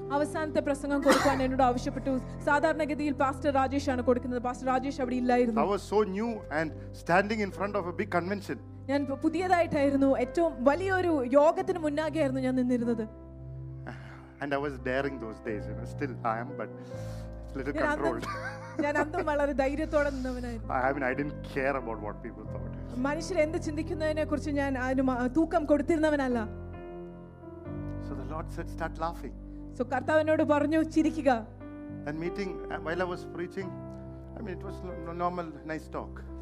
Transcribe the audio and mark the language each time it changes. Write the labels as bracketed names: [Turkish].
[Malayalam] അവസാനത്തെ പ്രസംഗം കൊടുക്കാൻ എന്നോട് ആവശ്യപ്പെട്ടു. സാധാരണഗതിയിൽ പാസ്റ്റർ രാജേഷ് ആണ് കൊടുക്കുന്നത്. പാസ്റ്റർ രാജേഷ് അവിടെ ഇല്ലായിരുന്നു. [English] I was so new and standing in front of a big convention. [Malayalam] ഞാൻ പുതിയതായിട്ടായിരുന്നു. ഏറ്റവും വലിയൊരു യോഗത്തിന് മുന്നാകെയായിരുന്നു ഞാൻ നിന്നിരുന്നത്. [English] And I was daring those days, you know, still I am, but little controlled. [Malayalam] ഞാൻ അന്നും വളരെ ധൈര്യത്തോടെ നിന്നവനായിരുന്നു. [English] I didn't care about what people thought. [Malayalam] മനുഷ്യർ എന്ത് ചിന്തിക്കുന്നതിനെ കുറിച്ച് ഞാൻ തൂക്കം കൊടുത്തിരുന്നവനല്ല. [English] So the Lord said, start laughing. [Malayalam] So കർത്താവിനോട് പറഞ്ഞു ചിരിക്കുക. [English] And meeting, while I was preaching, I mean, it was normal, nice talk.